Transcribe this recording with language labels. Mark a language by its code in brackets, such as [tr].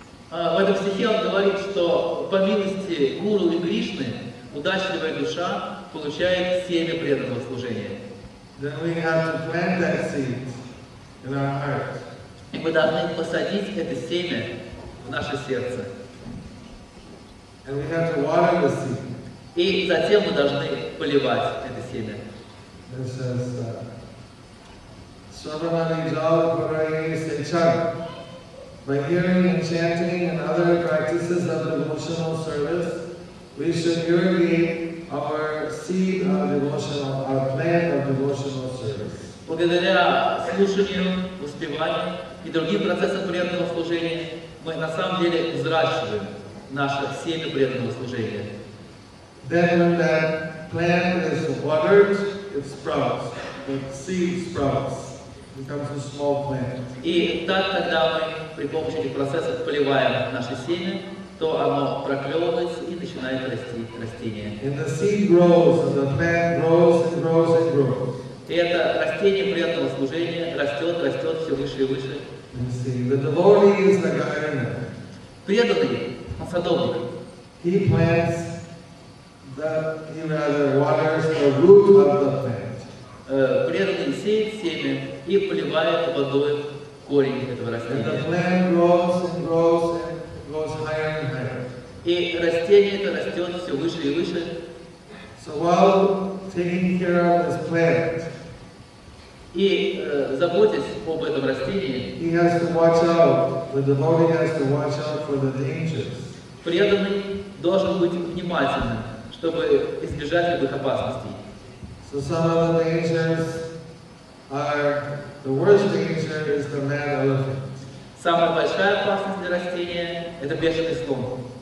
[ru] В этом стихе он говорит, что по милости Гуру и Кришны удачливая душа получает семя преданного служения. [en] Then we have to plant that seed in our heart. [ru] И мы должны посадить это семя в наше сердце. [en] And we have to water the seed. [ru] И затем мы должны поливать это семя. [en] This is, [sa] Sravanani Jal Puraye Sechar. [en] By hearing and chanting and other practices of devotional service, we should irrigate our seed of devotional, our plant of devotional service. [ru] Благодаря слушанию, успеванию и другим процессам преданного служения, мы на самом деле взращиваем наше семя преданного служения. [en] Then when that plant is watered, it sprouts. The seed sprouts. Becomes a small plant. [ru] И так, когда мы при помощи этих процессов поливаем наше семя, то оно проклевывается и начинает расти растение. [en] And the seed grows, and the plant grows and grows and grows. [ru] И это растение преданного служения растет, растет все выше и выше. [en] The devotee is the gardener. [ru] Преданный, он садовник. [en] He plants the, he rather waters the root of the plant. [ru] Преданный сеет семя и поливает водой корень этого растения. [en] And the plant grows and grows and grows higher and higher. [ru] И растение это растет все выше и выше. [en] So while taking care of this plant, [ru] и заботясь об этом растении, [en] he has to watch out. The devotee has to watch out for the dangers. [ru] Преданный должен быть внимательным, чтобы избежать любых опасностей. [en] So some of the dangers are, the worst danger is the mad elephant. [ru] Самая большая опасность для растения – это бешеный слон.